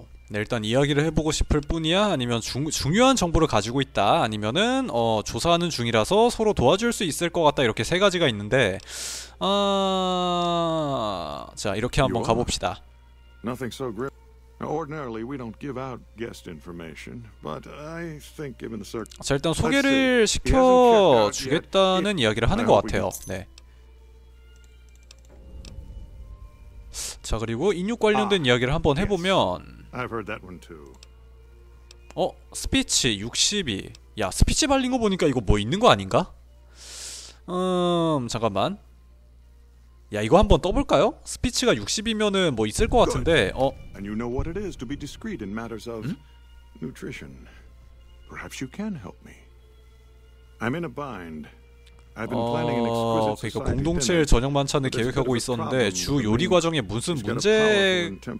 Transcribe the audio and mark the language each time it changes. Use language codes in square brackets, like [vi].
[ko] 네, 일단 이야기를 해보고 싶을 뿐이야? 아니면 중요한 정보를 가지고 있다? 아니면은 조사하는 중이라서 서로 도와줄 수 있을 것 같다? 이렇게 세 가지가 있는데 자, 이렇게 한번 가봅시다. [en] Nothing so grim. Ordinarily we don't give out guest information, but I think given the circumstances. [ko] 자, 일단 소개를 시켜 주겠다는 이야기를 하는 것 같아요. 네. 자, 그리고 인육 관련된 이야기를 한번 해보면. [en] I've heard that one too. 스피치 62. [ko] 야, 스피치 발린 거 보니까 이거 뭐 있는 거 아닌가? 잠깐만. 야, 이거 한번 떠볼까요? 스피치가 60이면은 뭐 있을 것 같은데. [en] And you know what it is to be discreet in matters of nutrition. Perhaps you can help me. I'm in a bind. [ko] 그러니까 공동체 저녁 만찬을 계획하고 있었는데 주 요리 과정에 무슨 문제?